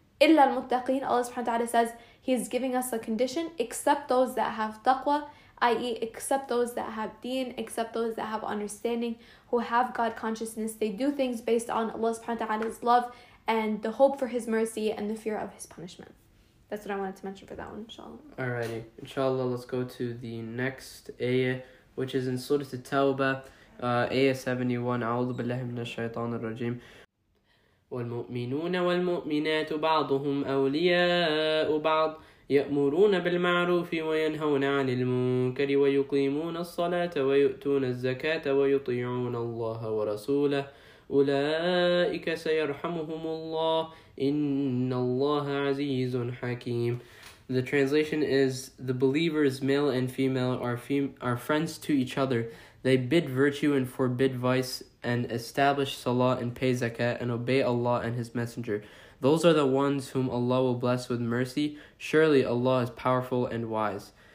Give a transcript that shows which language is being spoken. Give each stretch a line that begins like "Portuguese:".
Arabic: إِلَّا الْمُتَّقِينَ
English: Allah subhanahu wa ta'ala says, he's giving us a condition, except those that have taqwa, i.e. except those that have deen, except those that have understanding, who have God consciousness. They do things based on Allah subhanahu wa ta'ala's love and the hope for his mercy and the fear of his punishment. That's what I wanted to mention for that one, inshallah. Alrighty, inshallah, let's go to the next ayah, which is in Surah At-Tawbah, ayah 71,
Arabic: أَعُوذُ بِاللَّهِ مِنَ الشَّيْطَانِ الرَّجِيمِ والمؤمنون والمؤمنات بعضهم أولياء بعض يأمرون بالمعروف وينهون عن المنكر ويقيمون الصلاة ويؤتون الزكاة ويطيعون الله ورسوله أولئك سيرحمهم الله إن الله عزيز حكيم.
English: The translation is, the believers, male and female, are friends to each other. They bid virtue and forbid vice, and establish salah and pay zakat, and obey Allah and His Messenger. Those are the ones whom Allah will bless with mercy. Surely Allah is powerful and wise.